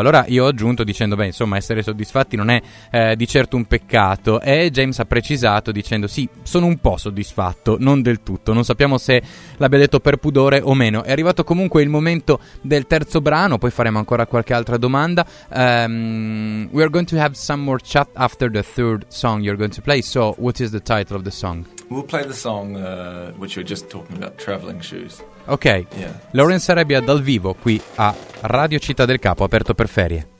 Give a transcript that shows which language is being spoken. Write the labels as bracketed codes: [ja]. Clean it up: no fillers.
[it] Allora io ho aggiunto dicendo, beh, insomma, essere soddisfatti non è di certo un peccato, e James ha precisato dicendo, sì, sono un po' soddisfatto, non del tutto, non sappiamo se l'abbia detto per pudore o meno. È arrivato comunque il momento del terzo brano, poi faremo ancora qualche altra domanda. [en] We are going to have some more chat after the third song you're going to play, so what is the title of the song? We'll play the song which you're just talking about, Traveling Shoes. Ok, yeah. [it] Lawrence Arabia dal vivo qui a Radio Città del Capo, aperto per ferie.